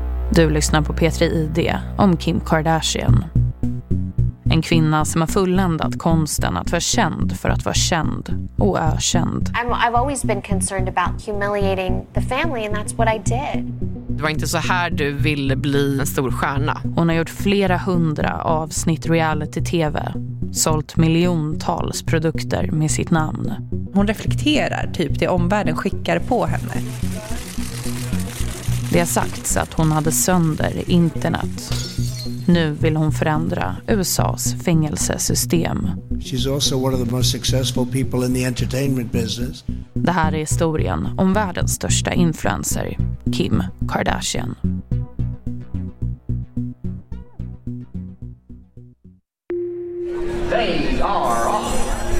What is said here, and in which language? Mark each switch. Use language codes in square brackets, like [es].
[sv] Du lyssnar på P3 ID om Kim Kardashian. En kvinna som har fulländat konsten att vara känd för att vara känd och ökänd. [en] I've always been concerned about humiliating the family and that's what I did. [sv] Det var inte så här du ville bli en stor stjärna. Hon har gjort flera hundra avsnitt reality-tv. Sålt miljontals produkter med sitt namn. Hon reflekterar typ det omvärlden skickar på henne. Det har sagts att hon hade sönder internet. Nu vill hon förändra USA:s fängelsesystem. [en] She's also one of the most successful people in the entertainment business. [sv] Det här är historien om världens största influencer, Kim Kardashian. [en] They are off.